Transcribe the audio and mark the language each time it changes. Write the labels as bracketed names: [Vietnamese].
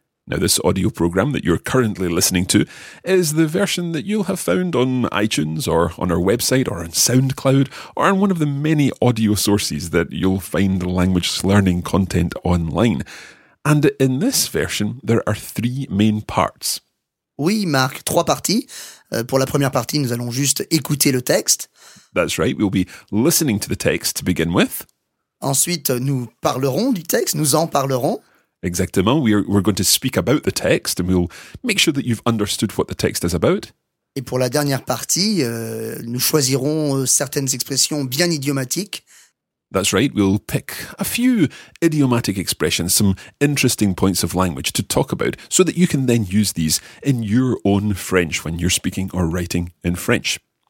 [English] Now, this audio program that you're currently listening to is the version that you'll have found on iTunes or on our website or on SoundCloud or on one of the many audio sources that you'll find language learning content online. And in this version, there are 3 main parts. [French] Oui, Marc, 3 parties. Pour la première partie, nous allons juste écouter le texte. [English] That's right, we'll be listening to the text to begin with. [French] Ensuite, nous parlerons du texte, nous en parlerons. [English] Exactement, we're going to speak about the text and we'll make sure that you've understood what the text is about. [French] Et pour la dernière partie, nous choisirons certaines expressions bien idiomatiques. [English] That's right, we'll pick a few idiomatic expressions, some interesting points of language to talk about, so that you can then use these in your own French when you're speaking or writing in French.